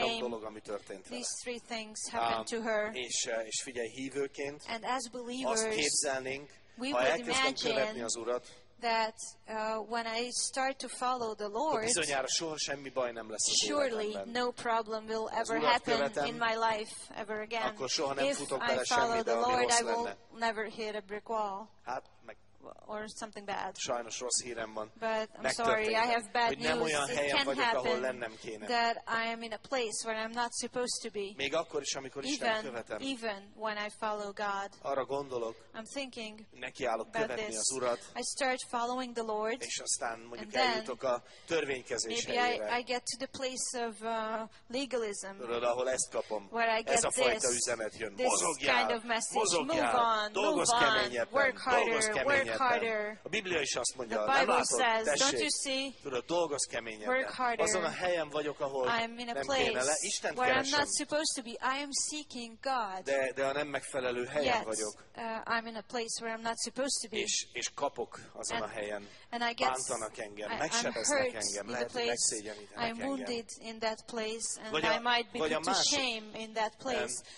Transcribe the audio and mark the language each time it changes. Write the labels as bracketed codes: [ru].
[hu] Három dolog, ami történt vele. [en] These three things happened to her. [hu] És figyelj, hívőként, [en] and as believers, [hu] azt képzelnénk, ha elkezdtem követni az Urat, [en] that when I start to follow the Lord, [hu] bizonyára soha semmi baj nem lesz az [en] surely [hu] életemben. [en] No problem will ever happen [hu] követem, [en] in my life ever again. [hu] Akkor soha nem [en] if [hu] futok [en] I follow [hu] semmi, [en] the Lord, I will [hu] lenne. [en] Never hit a brick wall. [hu] Hát, [en] or something bad. [hu] Sajnos rossz hírem van. [en] But I'm sorry, I have bad news. [hu] Nem olyan helyen [en] it can [hu] vagyok, [en] happen [hu] ahol lennem kéne. [en] That I am in a place where I'm not supposed to be. [hu] Még akkor is, amikor Isten követem. [en] Even when I follow God. [hu] Arra gondolok. [en] I'm thinking. [hu] Nekiállok követni az Urat. [en] I start following the Lord. [hu] És aztán mondjuk eljutok a törvénykezés helyére. [en] Maybe I get to the place of legalism. [hu] Tudod, ahol ezt kapom. [en] Where I get [hu] ez a fajta üzenet jön. Mozogjál, [en] kind of message. [hu] Mozogjál, [en] move on, work harder, work harder. [hu] A Biblia is azt mondja, [en] the Bible [hu] látod, [en] says, [hu] tessék, [en] don't you see? [hu] Tudod, dolgozz keményebben. [en] Work harder. [hu] Azon a helyen vagyok, ahol [en] I'm in a place [hu] Istent [en] where [hu] keresem. [en] I'm not supposed to be. I am seeking God. [hu] De a nem megfelelő helyen [en] yet, [hu] vagyok. [en] I'm in a place where I'm not supposed to be. [hu] És kapok azon [en] and, [hu] a helyen. [en] And I guess, [hu] bántanak engem, megsebeznek engem, lehet, hogy megszégyenítenek [en] I'm wounded [hu] engem. [en] In that place and [hu] vagy a, [en] I might be put to shame in that place.